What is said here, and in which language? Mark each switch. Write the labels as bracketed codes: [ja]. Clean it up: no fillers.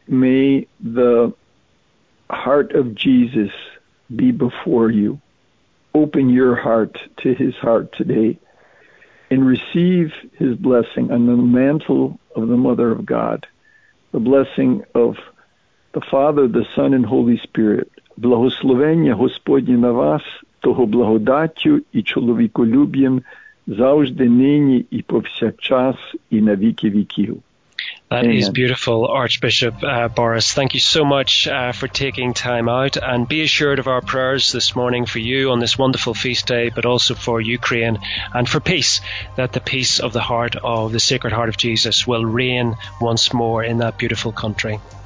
[en] May the heart of Jesus be before you. Open your heart to his heart today and receive his blessing on the mantle of the Mother of God, the blessing of the Father, the Son, and Holy Spirit. [uk] Благословення Господнє на вас, того благодаттю і чоловіколюб'ям завжди нині і повсякчас і на віки віків. [en] That is beautiful, Archbishop Boris. Thank you so much for taking time out. And be assured of our prayers this morning for you on this wonderful feast day, but also for Ukraine and for peace, that the peace of the heart of the Sacred Heart of Jesus will reign once more in that beautiful country.